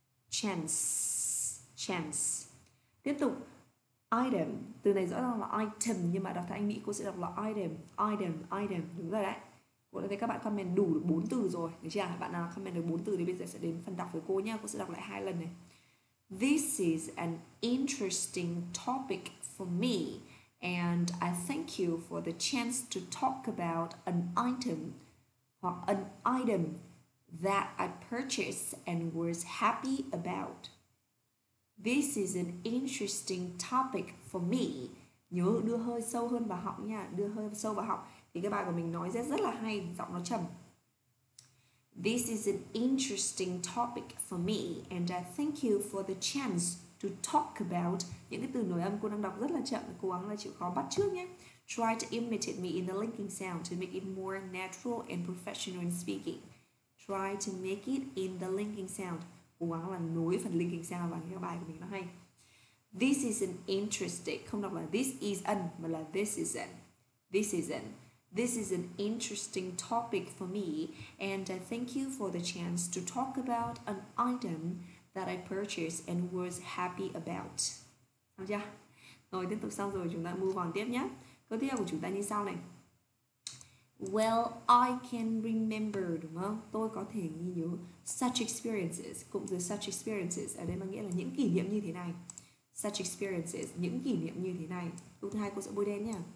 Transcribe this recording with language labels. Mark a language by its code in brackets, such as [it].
[en] Chance. Chance. [vi] Tiếp tục. [en] Item. [vi] Từ này rõ ràng là item nhưng mà đọc theo anh Mỹ cô sẽ đọc là item. Item. Item. Đúng rồi đấy. Cô đã thấy các bạn comment đủ được 4 từ rồi. Được chưa? Bạn nào comment được 4 từ thì bây giờ sẽ đến phần đọc với cô nha. Cô sẽ đọc lại 2 lần này. [en] This is an interesting topic for me, and I thank you for the chance to talk about an item or an item that I purchased and was happy about. This is an interesting topic for me. [vi] Nhớ đưa hơi sâu hơn vào họng nha, đưa hơi sâu vào họng thì cái bài của mình nói rất là hay, giọng nó trầm. [en] This is an interesting topic for me, and I thank you for the chance to talk about. [vi] Những cái từ nối âm cô đang đọc rất là chậm, cố gắng là chịu khó bắt chước nhé. [en] Try to imitate me in the linking sound to make it more natural and professional in speaking. Try to make it in the linking sound. [vi] Cố gắng là nối phần linking sound vào cái bài của mình nó hay. [en] This is an interesting, [vi] không đọc là [en] this is an, [vi] mà là [en] this is an. This is an. This is an interesting topic for me, and I thank you for the chance to talk about an item that I purchased and was happy about. [vi] Xong chưa? Rồi, tiếp tục xong rồi, chúng ta move on tiếp nhé. Câu tiếp theo của chúng ta như sau này. [en] Well, I can remember, [vi] đúng không? Tôi có thể ghi nhớ such experiences, cụm từ such experiences, ở đây mà nghĩa là những kỷ niệm như thế này. Such experiences, những kỷ niệm như thế này. Câu thứ hai cô sẽ bôi đen nhé.